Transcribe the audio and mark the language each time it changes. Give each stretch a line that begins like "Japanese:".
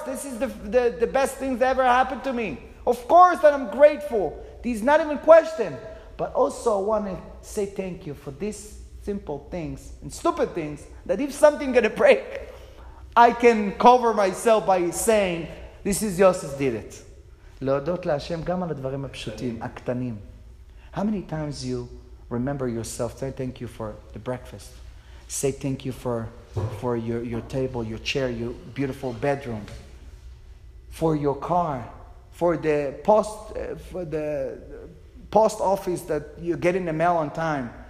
English: This is the best thing that ever happened to me. Of course that I'm grateful. This is not even a question. But also I want to say thank you for these simple things and stupid things, that if something gonna break, I can cover myself by saying, this is Yosef did it.
Hebrew: להודות להשם גם על הדברים הפשוטים, הקטנים.
English: How many times you remember yourself, say thank you for the breakfast. Say thank you for your table, your chair, your beautiful bedroom. For your car, for the post office that you're getting the mail on time.